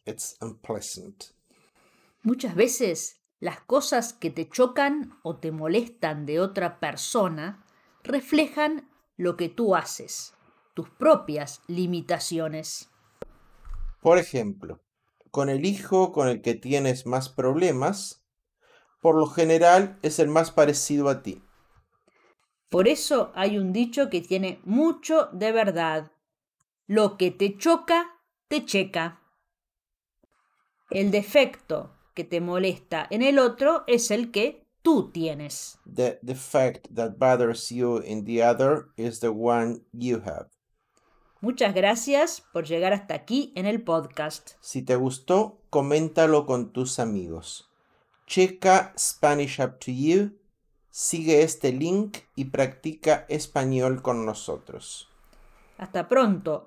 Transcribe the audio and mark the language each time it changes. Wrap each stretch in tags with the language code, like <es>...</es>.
<en>It's unpleasant.</en> <es>Muchas veces las cosas que te chocan o te molestan de otra persona reflejan lo que tú haces, tus propias limitaciones. Por ejemplo, con el hijo con el que tienes más problemas, por lo general es el más parecido a ti. Por eso hay un dicho que tiene mucho de verdad. Lo que te choca, te checa. El defecto que te molesta en el otro es el que tú tienes.</es> <en>The defect that bothers you in the other is the one you have.</en> <es>Muchas gracias por llegar hasta aquí en el podcast. Si te gustó, coméntalo con tus amigos. Checa Spanish Up to You. Sigue este link y practica español con nosotros. Hasta pronto.</es>